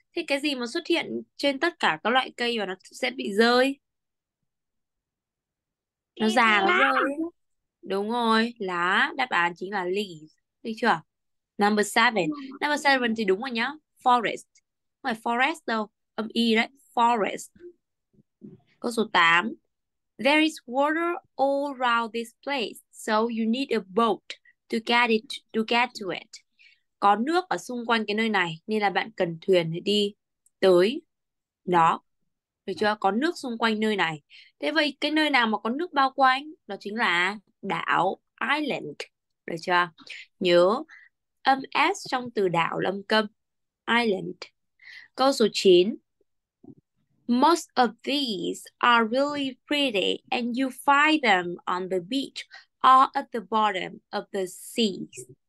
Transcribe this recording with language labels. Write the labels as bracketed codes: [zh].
[vi] Thế cái gì mà xuất hiện trên tất cả các loại cây và nó sẽ bị rơi? Nó Cái già, nó lá. rơi. Đúng rồi. Lá. Đáp án chính là leaves. Được chưa? [en] Number 7. [vi] Number 7 thì đúng rồi nhá. Forest. Không phải forest đâu, âm y đấy, forest. Câu số 8. [en] There is water all around this place, so you need a boat to get to it. [vi] Có nước ở xung quanh cái nơi này nên là bạn cần thuyền để đi tới nó. Được chưa? Có nước xung quanh nơi này. Thế vậy cái nơi nào mà có nước bao quanh đó chính là đảo, island. Được chưa? Nhớ âm s trong từ đảo là âm câm, island. Câu số 9. [en] Most of these are really pretty and you find them on the beach or at the bottom of the seas.